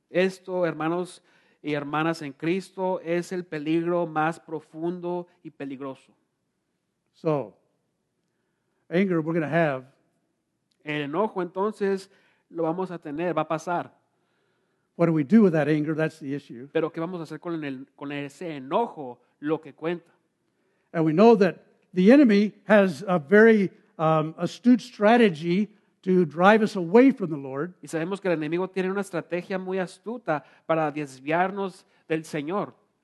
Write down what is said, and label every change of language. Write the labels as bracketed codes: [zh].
[es] Esto, hermanos y hermanas en Cristo, es el peligro más profundo y peligroso. [en] So, anger we're going to have. [es] El enojo, entonces, lo vamos a tener, va a pasar. [en] What do we do with that anger? That's the issue. [es] Pero, ¿qué vamos a hacer con ese enojo? Lo que cuenta. [en] And we know that the enemy has a very astute strategy to drive us away from the Lord. [es] Y sabemos que el enemigo tiene una estrategia muy astuta para desviarnos del Señor.